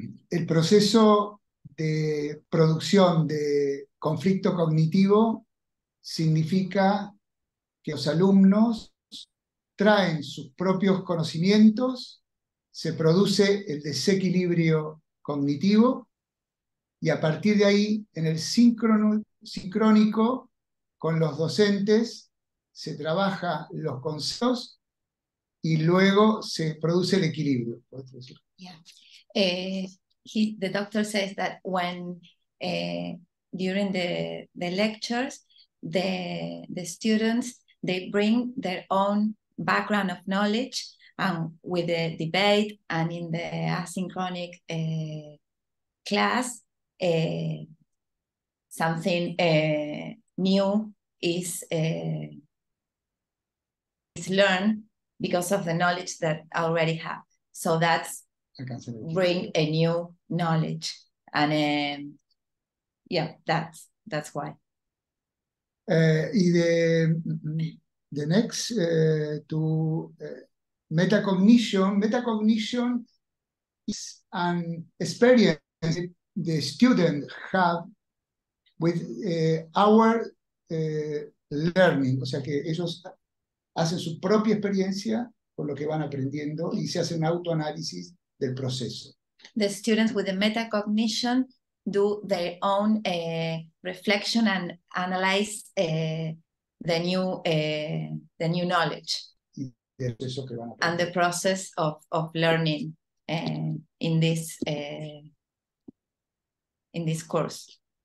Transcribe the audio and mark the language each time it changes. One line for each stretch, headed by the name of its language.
Spanish: El proceso de producción de conflicto cognitivo significa que los alumnos traen sus propios conocimientos, se produce el desequilibrio cognitivo, y a partir de ahí, en el sincrónico con los docentes, se trabaja los conceptos y luego se produce el equilibrio.
English: Yeah. The doctor says that when during the lectures, the students, they bring their own background of knowledge with the debate, and in the asynchronic class, something new is learned because of the knowledge that I already have. So that's bring a new knowledge. And yeah, that's why. The next metacognition. Metacognition is an experience the student have with our learning.
Spanish: O sea que ellos hacen su propia experiencia con lo que van aprendiendo y se hace un autoanálisis del proceso.
English: The students with the metacognition do their own reflection and analyze the new knowledge and the process of learning in this course.